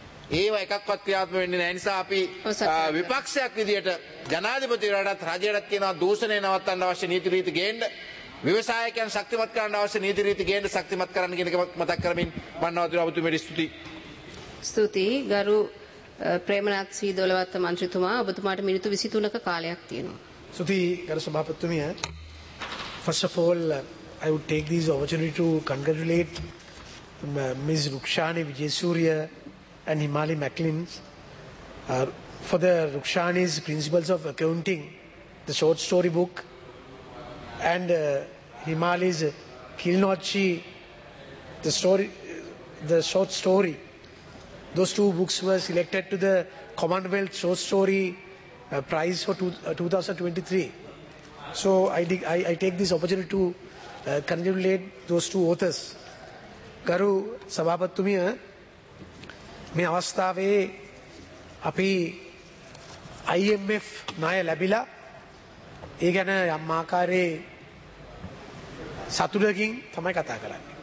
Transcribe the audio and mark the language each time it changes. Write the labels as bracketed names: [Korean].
[Sinhala] ඒව එකක්වත් ක්‍රියාත්මක වෙන්නේ නැහැ. ඒ නිසා අපි විපක්ෂයක් විදියට ජනාධිපතිවරයාටත් රජයටත් කියනවා දූෂණය නවත්තන්න අවශ්‍ය නීති රීති ගේන්න, ව්‍යවසායකයන් ශක්තිමත් කරන්න අවශ්‍ය නීති රීති ගේන්න ශක්තිමත් කරන්න කියන එක මතක් කරමින් මම නවතුන ඔබතුමීට ස්තුතියි. ස්තුතියි ගරු ප්‍රේමනාත් සී දොලවත්ත මන්ත්‍රීතුමා. ඔබතුමාට මිනිත්තු 23ක කාලයක් තියෙනවා. ස්තුතියි ගරු සභාපතිතුමිය. [English] First of all, I would take this opportunity to congratulate Ms. Rukshani Vijayasurya and Himali McLean for the Rukshani's Principles of Accounting, the short story book, and Himali's Kilnochi, the short story. Those two books were selected to the Commonwealth Short Story Prize for 2023. So I take this opportunity to congratulate those two authors. [Sinhala] Garu Sabhapatthumiya, මේ අවස්ථාවේ අපි IMF ණය ලැබිලා ඒ ගැන යම් ආකාරයේ සතුටකින් තමයි කතා කරන්නේ.